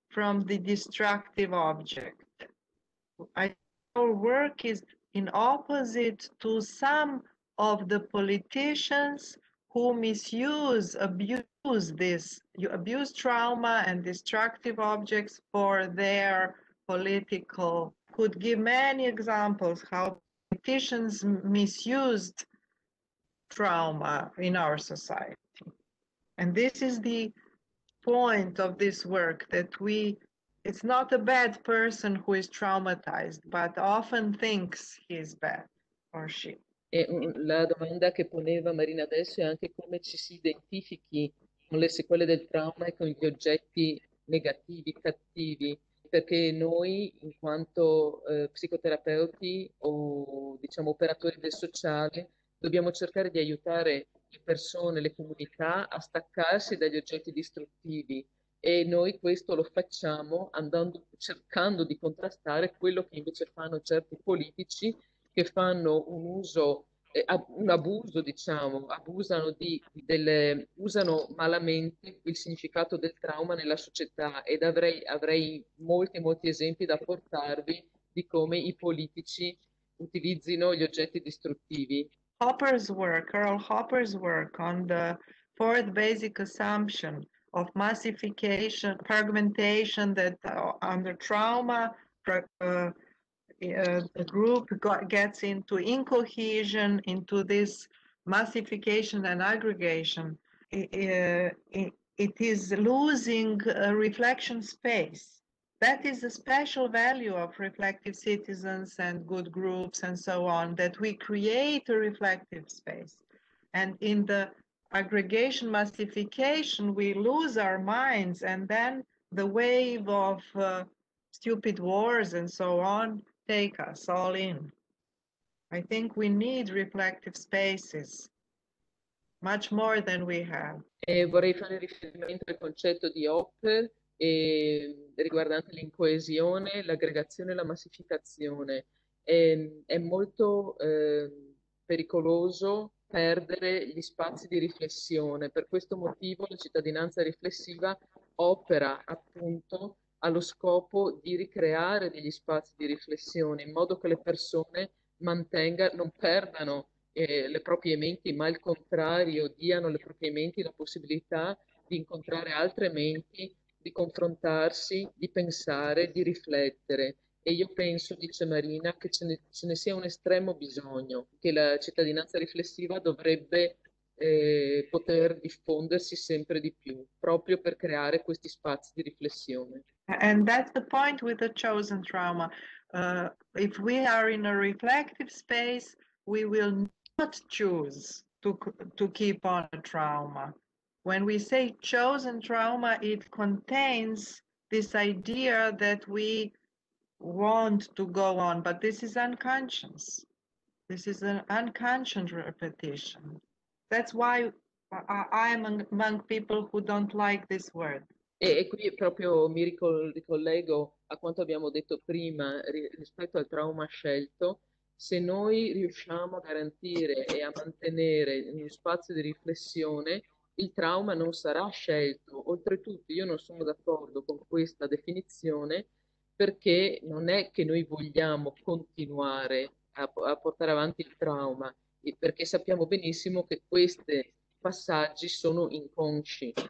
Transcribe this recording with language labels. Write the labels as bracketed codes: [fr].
[en] from the destructive object. Our work is in opposite to some of the politicians who misuse, abuse this, you abuse trauma and destructive objects for their political, could give many examples how politicians misused trauma in our society. And this is the point of this work, that we, it's not a bad person who is traumatized, but often thinks he is bad or she. [it] E la domanda che poneva Marina adesso è anche come ci si identifichi con le sequele del trauma e con gli oggetti negativi, cattivi, perché noi, in quanto psicoterapeuti o diciamo operatori del sociale, dobbiamo cercare di aiutare le persone, le comunità a staccarsi dagli oggetti distruttivi, e noi questo lo facciamo andando, cercando di contrastare quello che invece fanno certi politici, che fanno un uso, un abuso, diciamo, abusano di delle, usano malamente il significato del trauma nella società, ed avrei molti molti esempi da portarvi di come i politici utilizzino gli oggetti distruttivi. [en] Hopper's work, Earl Hopper's work on the fourth basic assumption of massification, fragmentation, that under trauma, the group gets into incohesion, into this massification and aggregation, it is losing reflection space. That is a special value of reflective citizens and good groups and so on, that we create a reflective space. And in the aggregation massification, we lose our minds, and then the wave of stupid wars and so on take us all in. I think we need reflective spaces much more than we have. [it] Vorrei fare riferimento al concetto di Hopper e riguardante l'incoesione, l'aggregazione e la massificazione. È molto pericoloso perdere gli spazi di riflessione. Per questo motivo la cittadinanza riflessiva opera appunto allo scopo di ricreare degli spazi di riflessione, in modo che le persone non perdano le proprie menti, ma al contrario diano alle proprie menti la possibilità di incontrare altre menti, di confrontarsi, di pensare, di riflettere. E io penso, dice Marina, che ce ne sia un estremo bisogno, che la cittadinanza riflessiva dovrebbe poter diffondersi sempre di più, proprio per creare questi spazi di riflessione. [en] And that's the point with the chosen trauma. If we are in a reflective space, we will not choose to keep on a trauma. When we say chosen trauma, it contains this idea that we want to go on, but this is unconscious. This is an unconscious repetition. That's why I'm among people who don't like this word. [it] E qui proprio mi ricollego a quanto abbiamo detto prima rispetto al trauma scelto. Se noi riusciamo a garantire e a mantenere uno spazio di riflessione, il trauma non sarà scelto. Oltretutto, io non sono d'accordo con questa definizione, perché non è che noi vogliamo continuare a portare avanti il trauma, perché sappiamo benissimo che questi passaggi sono inconsci.